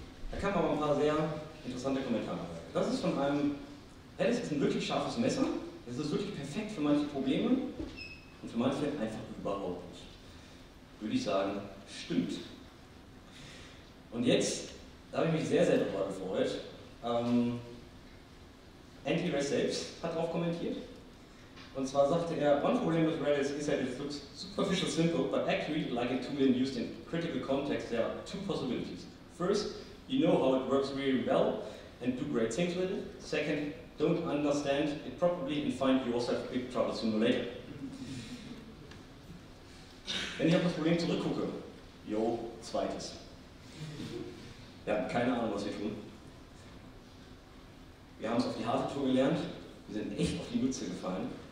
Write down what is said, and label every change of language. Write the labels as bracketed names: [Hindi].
[German] Da kamen aber ein paar sehr interessante Kommentare. Das ist von einem, Reddit ist ein wirklich scharfes Messer, es ist wirklich perfekt für manche Probleme und für manche einfach überhaupt nicht. Würde ich sagen, stimmt. Und jetzt, da habe ich mich sehr, sehr darüber gefreut, Anti-Rest selbst hat darauf kommentiert. Und zwar sagte er, [English] one problem with Redis is that it looks superficial simple, but actually like a tool in used in critical context, there are two possibilities. First, you know how it works really well and do great things with it. Second, don't understand it properly and find yourself big trouble sooner or later. [German] Wenn ich auf das Problem zurückgucke, yo, zweites. Ja, keine Ahnung, was wir tun. Wir haben es auf die harte Tour gelernt, wir sind echt auf die Mütze gefallen.